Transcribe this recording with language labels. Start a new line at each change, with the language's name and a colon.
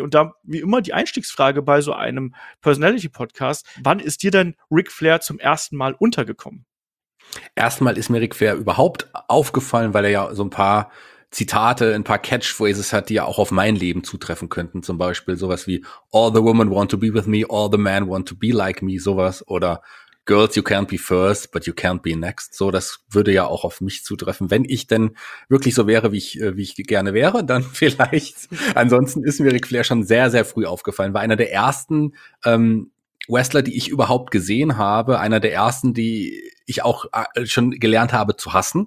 German: Und da, wie immer, die Einstiegsfrage bei so einem Personality-Podcast: Wann ist dir denn Ric Flair zum ersten Mal untergekommen? Erstmal ist mir Ric Flair überhaupt aufgefallen, weil er ja so ein paar Zitate, ein paar Catchphrases hat, die ja auch auf mein Leben zutreffen könnten. Zum Beispiel sowas wie
English: "All the women want to be with me, all the men want to be like me",
German: sowas. Oder
English: "Girls, you can't be first, but you can't be next".
German: So, das würde ja auch auf mich zutreffen. Wenn ich denn wirklich so wäre, wie ich gerne wäre, dann vielleicht. Ansonsten ist mir Ric Flair schon sehr, sehr früh aufgefallen. War einer der ersten Wrestler, die ich überhaupt gesehen habe. Einer der ersten, die ich auch schon gelernt habe zu hassen.